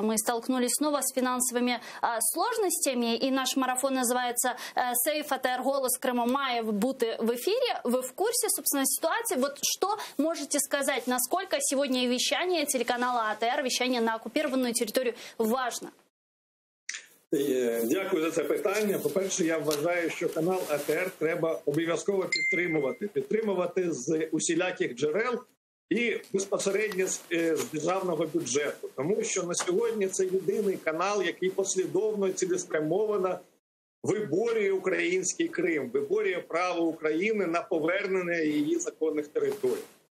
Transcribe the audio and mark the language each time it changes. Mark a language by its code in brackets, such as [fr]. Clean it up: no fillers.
[ru] Мы столкнулись снова с финансовыми сложностями, и наш марафон называется «Сейф АТР. Голос Крыма має бути в эфире». Вы в курсе, собственно, ситуации? Вот что можете сказать, насколько сегодня вещание телеканала АТР, вещание на оккупированную территорию, важно? [uk] Дякую за це питання. По-перше, я вважаю, що канал АТР треба обов'язково підтримувати. Підтримувати з усіляких джерел і безпосередньо з державного бюджету. Тому що на сьогодні це єдиний канал, який послідовно і цілеспрямовано виборює український Крим, виборює право України на повернення її законних територій.